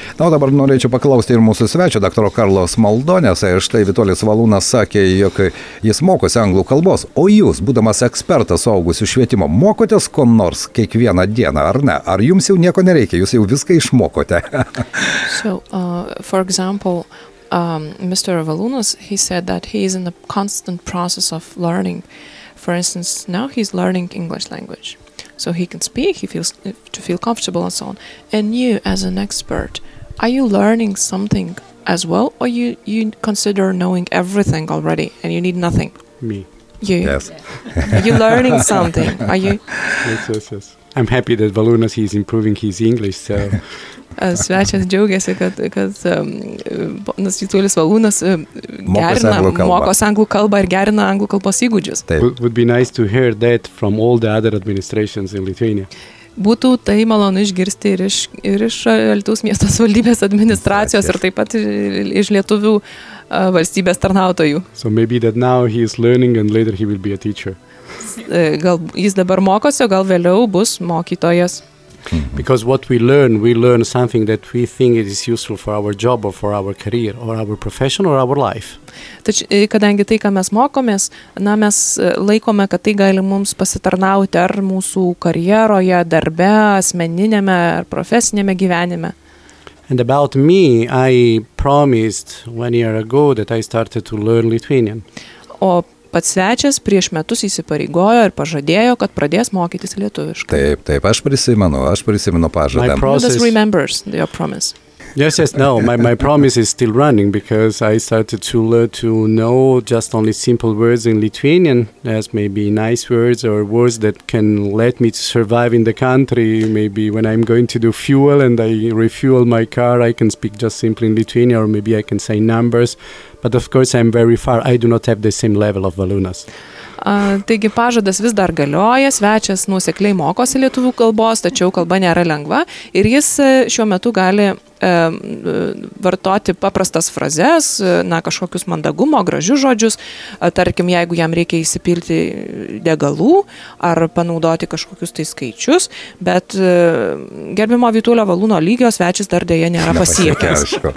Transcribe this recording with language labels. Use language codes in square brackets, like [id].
[lt] Na, o dabar norėčiau paklausti ir mūsų svečio, daktaro Karlo Smaldonės. Štai Vitolis Valūnas sakė, jog jis mokosi anglų kalbos, o jūs, būdamas ekspertas suaugusių švietimo, mokotės kon nors kiekvieną dieną, ar ne? Ar jums jau nieko nereikia, jūs jau viską išmokote? [en] Mr. Valūnas, he said that he is in a constant process of learning. For instance, now he's learning English language, so he can speak, he feels to feel comfortable and so on. And you, as an expert, are you learning something as well, or you consider knowing everything already and you need nothing? Me. You. Yes. Are you learning something? Are you? Yes. I'm happy that Valūnas, he's improving his English, so. [lt] Svečias džiaugiasi, kad ponas Vitulis Valūnas mokos anglų kalbą ir gerina anglų kalbos įgūdžius. [en] Would be nice to hear that from all the other administrations in Lithuania. [lt] Būtų tai malonu išgirsti ir iš Alytaus miesto savivaldybės administracijos ir taip pat iš lietuvių valstybės tarnautojų. [en] So maybe that now he is learning and later he will be a teacher. [lt] Gal jis dabar mokosi, gal vėliau bus mokytojas. [en] Because what we learn something that we think it is useful for our job or for our career or our profession or our life. [lt] Kadangi tai, ką mes mokomės, na, mes laikome, kad tai gali mums pasitarnauti ar mūsų karjeroje, darbe, asmeninėme ar profesinėme gyvenime. [en] And about me, I promised 1 year ago that I started to learn Lithuanian. [lt] O pats svečias prieš metus įsipareigojo ir pažadėjo, kad pradės mokytis lietuviškai. Taip, aš prisimenu pažadą. [en] Process remembers your promise. Yes, no, my promise is still running because I started to learn to know just only simple words in Lithuanian as maybe nice words or words that can let me to survive in the country. Maybe when I'm going to do fuel and I refuel my car, I can speak just simply in Lithuanian or maybe I can say numbers. But of course, I'm very far. I do not have the same level of Valūnas. [lt] Taigi pažadas vis dar galioja, svečias nuosekliai mokosi lietuvių kalbos, tačiau kalba nėra lengva ir jis šiuo metu gali vartoti paprastas frazes, na, kažkokius mandagumo, gražius žodžius, tarkim, jeigu jam reikia įsipilti degalų ar panaudoti kažkokius tai skaičius, bet gerbimo Vitulio Valūno lygio svečias dar dėja nėra pasiekęs.